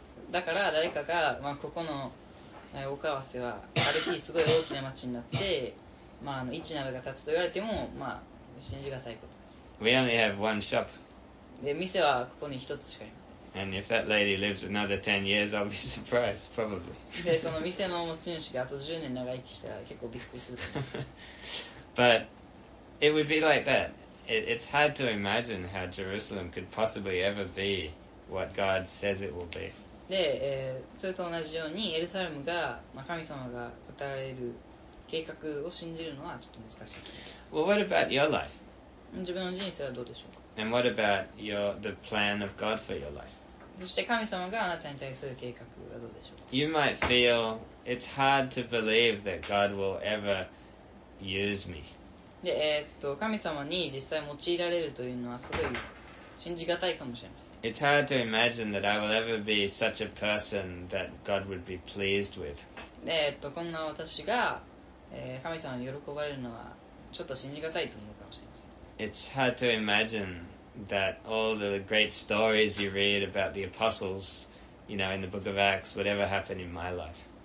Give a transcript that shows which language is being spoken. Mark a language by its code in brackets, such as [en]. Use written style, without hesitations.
[ja] だから誰かが、まあ、ここの岡合わせはある日すごい大きな町になって、まあ、あの位置などが立つと言われても、まあ、信じがたいことです。 [en] We only have one shop. [ja] で店はここに一つしかありません。 [en] And if that lady lives another 10 years, I'll be surprised, probably. [ja] でその店の持ち主があと10年長生きしたら結構びっくりすると思います。 [en] But it would be like that. It's hard to imagine how Jerusalem could possibly ever be what God says it will be. [ja] で、それと同じようにエルサレムが、まあ、神様が語られる計画を信じるのはちょっと難しいです。 [en] Well, what about your life? [ja] 自分の人生はどうでしょうか? [en] And what about the plan of God for your life? [ja] そして神様があなたに対する計画はどうでしょうか? [en] You might feel it's hard to believe that God will ever use me. [ja] で、神様に実際用いられるというのはすごい信じがたいかもしれません。 [en] It's hard to imagine that I will ever be such a person that God would be pleased with. [ja] こんな私が、神様に喜ばれるのはちょっと信じがたいと思うかもしれません。 [en] It's hard to imagine that all the great stories you read about the apostles, you know, in the book of Acts, would ever happen in my life.